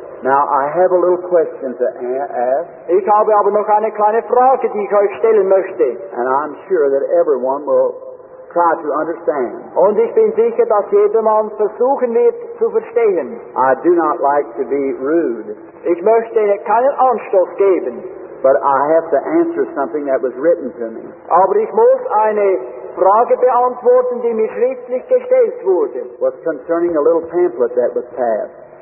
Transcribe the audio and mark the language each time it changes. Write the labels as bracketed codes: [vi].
[en] Now, I have a little question to ask. [de] Ich habe aber noch eine kleine Frage, die ich euch stellen möchte. [en] And I'm sure that everyone will try to understand. [de] Und ich bin sicher, dass jedermann versuchen wird, zu verstehen. [en] I do not like to be rude. [de] Ich möchte keinen Anstoß geben. [en] But I have to answer something that was written to me. [de] Aber ich muss eine Frage beantworten, die mir schriftlich gestellt wurde. [en] Was concerning a little pamphlet that was passed.